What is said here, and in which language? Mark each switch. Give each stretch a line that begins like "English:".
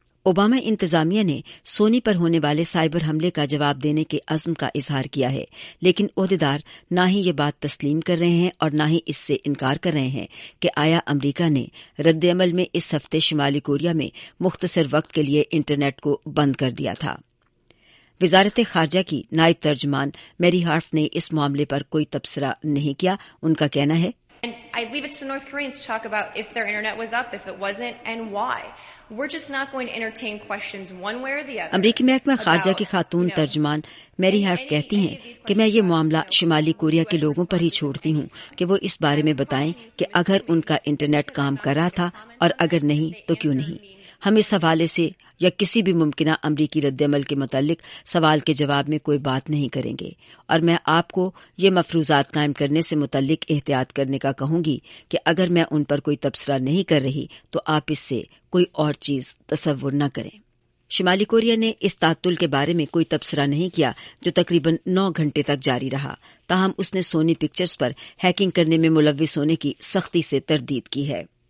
Urdu: Obama انتظامیہ نے سونی پر ہونے والے سائبر حملے کا جواب دینے کے عزم کا اظہار کیا ہے، لیکن عہدیدار نہ ہی یہ بات تسلیم کر رہے ہیں اور نہ ہی اس سے انکار کر رہے ہیں کہ آیا امریکہ نے رد عمل میں اس ہفتے شمالی کوریا میں مختصر وقت کے لیے انٹرنیٹ کو بند کر دیا تھا۔ وزارت خارجہ کی نائب ترجمان میری ہارف نے اس معاملے پر کوئی تبصرہ نہیں کیا۔ ان کا کہنا ہے
English: And I'd leave it to the North Koreans to talk about if their internet was up, if it wasn't, and why. We're just not going to entertain questions one way or the other.
Urdu: امریکی محکمہ خارجہ کی خاتون ترجمان میری ہارف کہتی ہیں کہ میں یہ معاملہ شمالی کوریا کے لوگوں پر ہی چھوڑتی ہوں کہ وہ اس بارے میں بتائیں کہ اگر ان کا انٹرنیٹ کام کر رہا تھا اور اگر نہیں تو کیوں نہیں۔ ہم اس حوالے سے یا کسی بھی ممکنہ امریکی رد عمل کے متعلق سوال کے جواب میں کوئی بات نہیں کریں گے، اور میں آپ کو یہ مفروضات قائم کرنے سے متعلق احتیاط کرنے کا کہوں گی کہ اگر میں ان پر کوئی تبصرہ نہیں کر رہی تو آپ اس سے کوئی اور چیز تصور نہ کریں۔ شمالی کوریا نے اس تعطل کے بارے میں کوئی تبصرہ نہیں کیا جو تقریباً 9 گھنٹے تک جاری رہا، تاہم اس نے سونی پکچرز پر ہیکنگ کرنے میں ملوث ہونے کی سختی سے تردید کی ہے۔